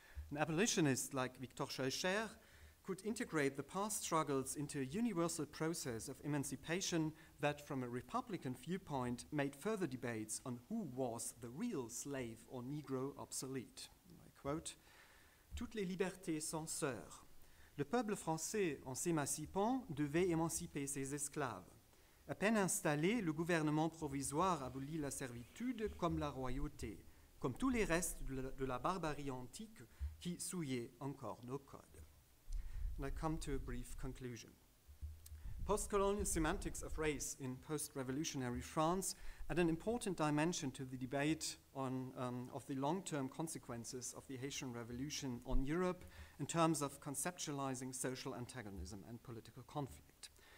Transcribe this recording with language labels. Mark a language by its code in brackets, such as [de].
[en] An abolitionist like Victor Schoelcher could integrate the past struggles into a universal process of emancipation that, from a Republican viewpoint, made further debates on who was the real slave or Negro obsolete. I quote, [fr] toutes les libertés sont sœurs. Le peuple français, en s'émancipant, devait émanciper ses esclaves. À peine installé, le gouvernement provisoire abolit la servitude comme la royauté, comme tous les restes de la barbarie antique qui souillait encore nos codes. [en] And I come to a brief conclusion. Post-colonial semantics of race in post-revolutionary France add an important dimension to the debate on of the long-term consequences of the Haitian Revolution on Europe in terms of conceptualizing social antagonism and political conflict.